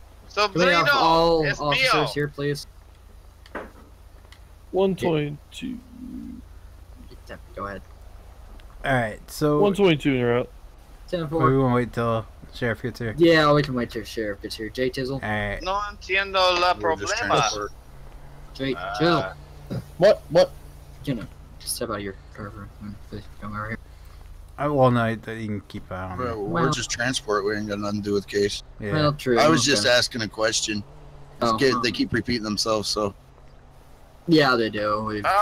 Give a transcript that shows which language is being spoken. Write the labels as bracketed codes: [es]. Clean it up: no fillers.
[es] Sobrino, [en] can we have all officers here, please? 122. Go ahead. Alright, so... 122, you're out. 10-4. We won't wait till Sheriff gets here. Yeah, we can wait till Sheriff gets here. J-Tizzle. Alright. [es] No entiendo la problema. [en] J-Tizzle. What? You know, just step out of your car room, please. Come over here. You can keep out. We're just transport. We ain't got nothing to do with case. Yeah. Well, true. I was just asking a question. They keep repeating themselves, so. Yeah, they do.